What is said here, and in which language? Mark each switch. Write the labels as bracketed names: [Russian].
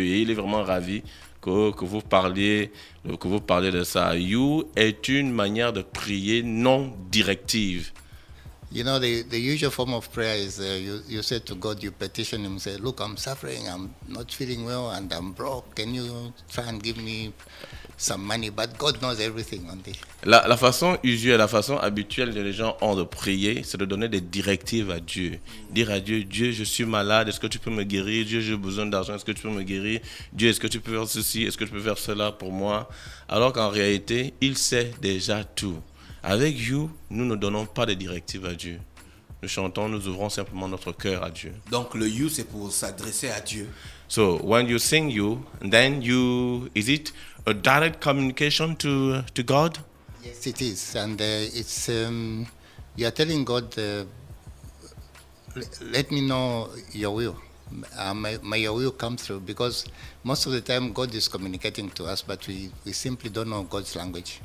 [French] Et il est vraiment ravi que vous parliez de ça. You est une manière de prier non directive. [English] You know, the usual form of prayer is you say to God, you petition him, say, look, I'm suffering, I'm not feeling well, and I'm broke. Can you try and give me some money? But God knows everything. [French] La façon usuelle, la façon habituelle que les gens ont de prier, c'est de donner des directives à Dieu. Dire à Dieu, Dieu, je suis malade, est-ce que tu peux me guérir? Dieu, j'ai besoin d'argent, est-ce que tu peux me guérir? Dieu, est-ce que tu peux faire ceci? Est-ce que tu peux faire cela pour moi? Alors qu'en réalité, il sait déjà tout. Avec You, nous ne donnons pas de directives à Dieu. Nous chantons, nous ouvrons simplement notre cœur à Dieu. Donc le You, c'est pour s'adresser à Dieu. [English] So, when you sing You, then you, is it a direct communication to God? Yes, it is. And it's, you are telling God, let me know your will. May your will come through. Because most of the time, God is communicating to us, but we simply don't know God's language.